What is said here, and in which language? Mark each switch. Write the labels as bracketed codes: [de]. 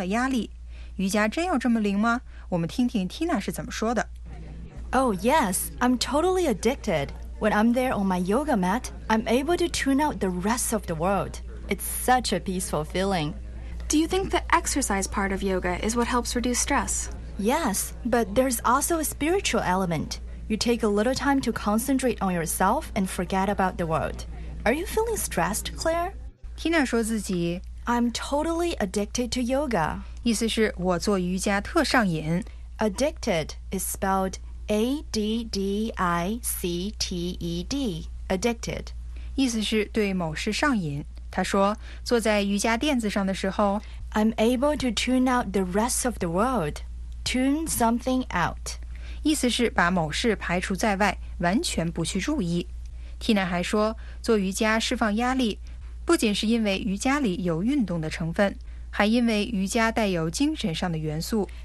[zh] 指对某事特别热衷和投入的人。Tina说，做瑜伽帮她大大减轻了压力。瑜伽真有这么灵吗？我们听听Tina是怎么说的。 [en] Oh yes, I'm totally addicted. When I'm there on my yoga mat, I'm able to tune out the rest of the world. It's such a peaceful feeling. Do you think the exercise part of yoga is what helps reduce stress? Yes, but there's also a spiritual element. You take a little time to concentrate on yourself and forget about the world. Are you feeling stressed, Claire? [zh] Tina 说自己, [en] I'm totally addicted to yoga. [zh] 意思是我做瑜伽特上瘾。Addicted [en] is spelled A-D-D-I-C-T-E-D. Addicted. [zh] 意思是对某事上瘾。她说坐在瑜伽垫子上的时候, [en] I'm able to tune out the rest of the world. Tune something out. [zh] 意思是把某事排除在外，完全不去注意。Tina 还说，做瑜伽释放压力，不仅是因为瑜伽里有运动的成分，还因为瑜伽带有精神上的元素